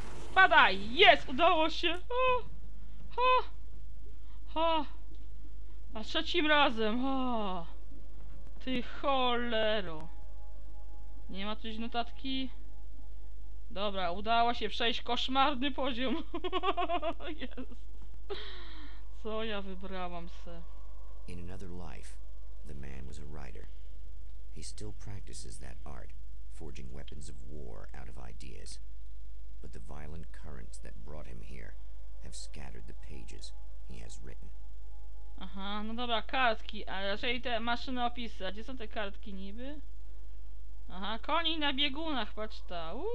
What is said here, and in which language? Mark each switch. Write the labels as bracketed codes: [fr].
[pl] Spadaj! Jest! Udało się! O! Ha! Ha! A trzecim razem! O! Ty cholero! Nie ma tu notatki? Dobra, udało się przejść koszmarny poziom. Jezus. Co ja wybrałam se? [en] In another life, the man was a writer. He still practices that art, forging weapons of war out of ideas. But the violent currents that brought him here have scattered the pages he has written. [pl] Aha, no dobra, kartki, a raczej te maszyny opisy. A gdzie są te kartki niby? Aha, koni na biegunach, patrz ta.